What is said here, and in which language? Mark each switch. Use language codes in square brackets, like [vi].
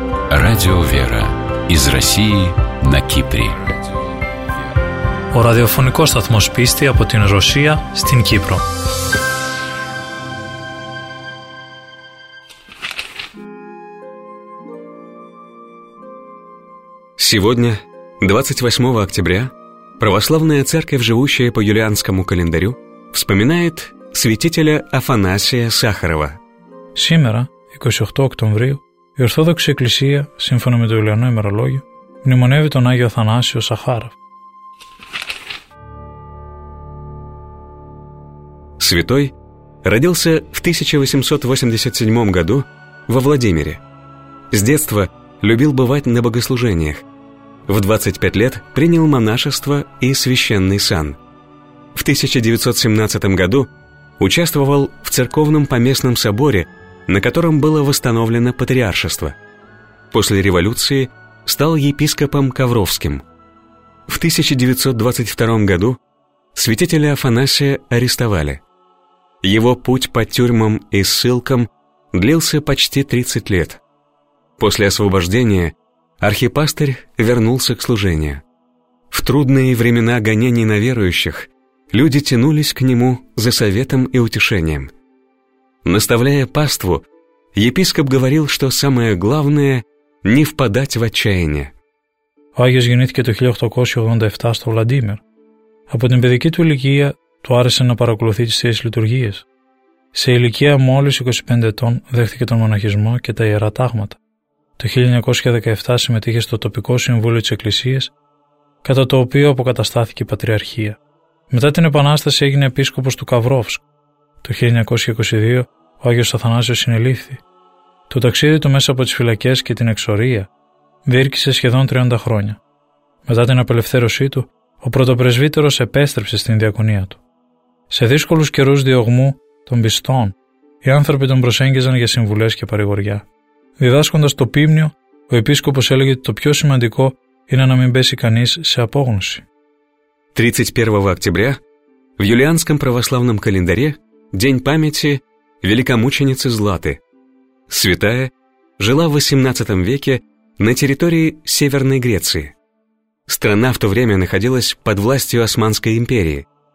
[ru] Радио «Вера» из России на Кипре. [el] Ο ραδιοφωνικός σταθμός πίστη από την Ρωσία στην Κύπρο. [ru] Сегодня, 28 октября, Православная Церковь, живущая по юлианскому календарю, вспоминает святителя Афанасия Сахарова. Сегодня, 28 октября, [el] η Ορθόδοξη Εκκλησία, σύμφωνα με το Ιουλιανό ημερολόγιο, μνημονεύει τον Άγιο Αθανάσιο Σαχάραφ. [ru] Святой родился в 1887 году во Владимире. С детства любил бывать на богослужениях. В 25 лет принял монашество и священный сан. В 1917 году участвовал в церковном поместном соборе, на котором было восстановлено патриаршество. После революции стал епископом Ковровским. В 1922 году святителя Афанасия арестовали. Его путь по тюрьмам и ссылкам длился почти 30 лет. После освобождения архипастырь вернулся к служению. В трудные времена гонений на верующих люди тянулись к нему за советом и утешением. Наставляя паству, епископ говорил, что самое главное – не впадать в отчаяние. [el] Ο Άγιος γεννήθηκε το 1887 στο Владимир. Από την παιδική του ηλικία του άρεσε να παρακολουθεί τις θείες λειτουργίες. Σε ηλικία μόλις 25 ετών δέχτηκε τον μοναχισμό και τα ιερά τάγματα. Το 1917 συμμετείχε στο τοπικό συμβούλιο της Εκκλησίας, κατά το οποίο αποκαταστάθηκε η Πατριαρχία. Μετά την Επανάσταση έγινε επίσκοπος του Καβρόφσκ. Το 1922 ο Άγιος Αθανάσιος συνελήφθη. Το ταξίδι του μέσα από τις φυλακές και την εξορία διήρκησε σχεδόν 30 χρόνια. Μετά την απελευθέρωσή του, ο πρωτοπρεσβύτερος επέστρεψε στην διακονία του. Σε δύσκολους καιρούς διωγμού των πιστών, οι άνθρωποι τον προσέγγιζαν για συμβουλές και παρηγοριά. Διδάσκοντας το πίμνιο, ο επίσκοπος έλεγε ότι το πιο σημαντικό είναι να μην πέσει κανείς σε απόγνωση. 31 Οκτωβρίου, [ru] в юлианском православном календаре, день памяти великомученицы Златы. Святая жила в 18 веке на территории Северной Греции. Страна в то время находилась под властью Османской империи.